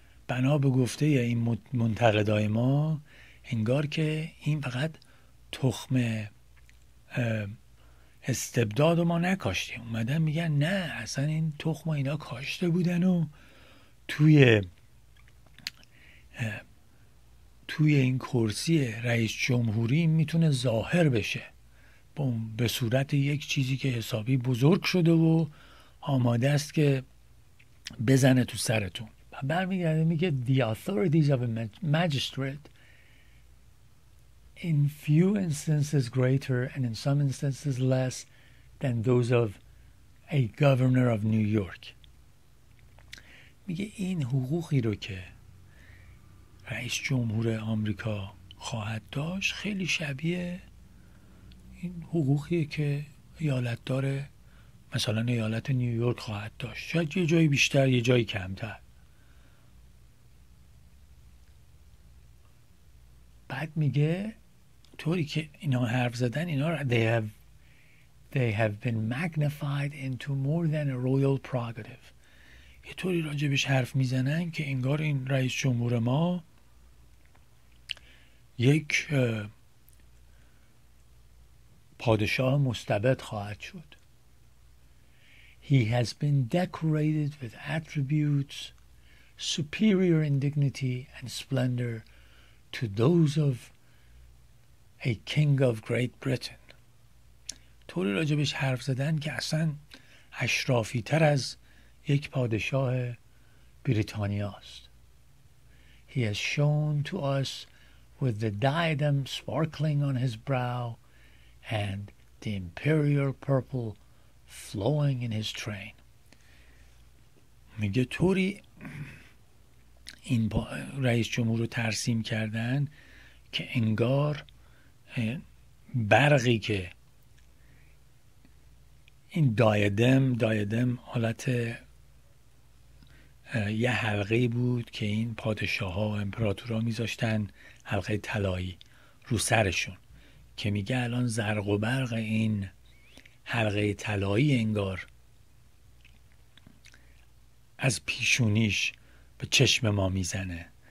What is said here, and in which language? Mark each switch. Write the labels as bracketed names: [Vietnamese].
[Persian] بنا به گفته یا این منتقدای ما، انگار که این فقط تخم استبداد ما نکاشتیم، اومدن میگن نه اصلا این تخم اینا کاشته بودن و توی این کرسی رئیس جمهوری میتونه ظاهر بشه به صورت یک چیزی که حسابی بزرگ شده و آماده است که بزنه تو سرتون. و برمیگرده میگه [English] The authorities of a magistrate in few instances greater and in some instances less than those of a governor of New York. [Persian] میگه این حقوقی رو که رئیس جمهور آمریکا خواهد داشت خیلی شبیه این حقوقیه که ایالت داره مثلا ایالت نیویورک خواهد داشت، شاید یه جایی بیشتر یه جایی کمتر. بعد میگه طوری که اینا حرف زدن اینا را [English] they have been magnified into more than a royal prerogative، [Persian] یه طوری راجبش حرف میزنن که انگار این رئیس جمهور ما یک پادشاه مستبد خواهد شد. [English] He has been decorated with attributes superior in dignity and splendor to those of a king of Great Britain. [Persian] طوری راجبش حرف زدن که اصلا اشرافی تر از یک پادشاه بریتانیا است. [English] He has shown to us with the diadem sparkling on his brow and the imperial purple flowing in his train. [Persian] میگه طوری این رئیس جمهور رو ترسیم کردن که انگار برقی که این دایدم حالت یه حلقه بود که این پادشاه ها و امپراتور ها میذاشتن، حلقه طلایی رو سرشون، که میگه الان زرق و برق این حلقه طلایی انگار از پیشونیش به چشم ما میزنه.